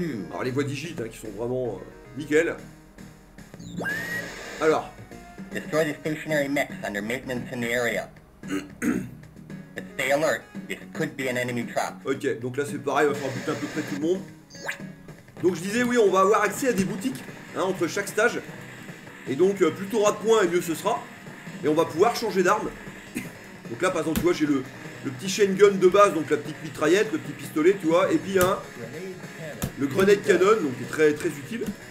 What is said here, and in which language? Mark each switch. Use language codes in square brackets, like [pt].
[fr] Alors les voix digit, hein, qui sont vraiment nickel. Alors. [en] Destroy the stationary mechs under maintenance in the area. Stay alert, this could be an enemy trap. [fr] Ok, donc là c'est pareil, il va falloir buter à peu près tout le monde. Donc je disais, oui, on va avoir accès à des boutiques, hein, entre chaque stage. Et donc, plus t'auras de points, mieux ce sera. Et on va pouvoir changer d'arme. Donc là, par exemple, tu vois, j'ai le petit chain gun de base, donc la petite mitraillette, le petit pistolet, tu vois. Et puis, hein, le grenade cannon, donc qui est très très utile.